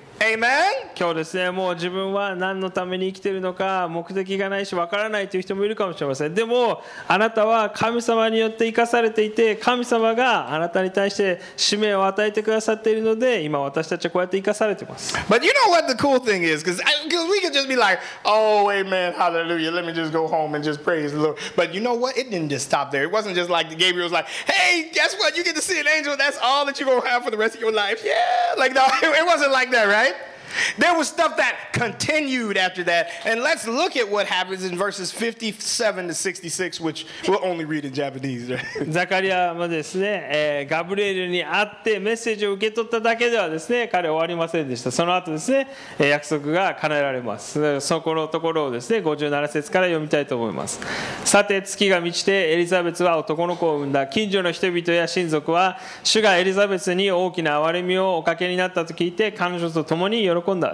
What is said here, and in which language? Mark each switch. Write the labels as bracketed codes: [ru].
[en] Amen? [ja] 今日ですね、もう自分は何のために生きているのか目的がないし分からないという人もいるかもしれません。でもあなたは神様によって生かされていて、神様があなたに対して使命を与えてくださっているので、今私たちはこうやって生かされています。 [en] But you know what the cool thing is? Because we could just be like, oh amen, hallelujah, let me just go home and just praise the Lord. But you know what? It didn't just stop there. It wasn't just like Gabriel was like, hey, guess what? You get to see an angel. That's all that you're going to have for the rest of your life. Yeah, like no, it wasn't like that, right? There was stuff that continued after that. And let's look at what happens in verses 57 to 66, which we'll only read in Japanese. [ja] ザカリアもですね、ガブリエルに会ってメッセージを受け取っただけではですね、彼は終わりませんでした。その後ですね、約束が叶えられます。そこのところをですね、57節から読みたいと思います。さて、月が満ちてエリザベツは男の子を産んだ。近所の人々や親族は、主がエリザベツに大きな憐れみをおかけになったと聞いて、彼女と共に喜んだ。